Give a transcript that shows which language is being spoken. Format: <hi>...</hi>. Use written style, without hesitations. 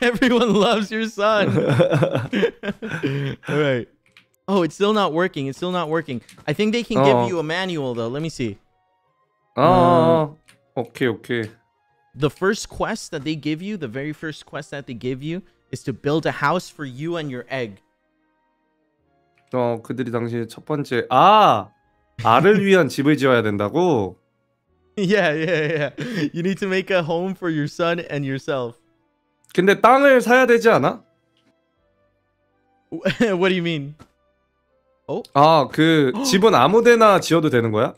<en>everyone loves your son. All right. Oh, it's still not working. I think they can give you a manual though. Let me see. Okay. The first quest that they give you, is to build a house for you and your egg.</en> <ko>그들이 당신의 첫 번째 알을 위한 집을 지어야 된다고.</ko> <en>Yeah. You need to make a home for your son and yourself.</en> <ko>근데 땅을 사야 되지 않아?</ko> <en>What do you mean? Oh.</en> <ko>그 집은 아무데나 지어도 되는 거야?</ko>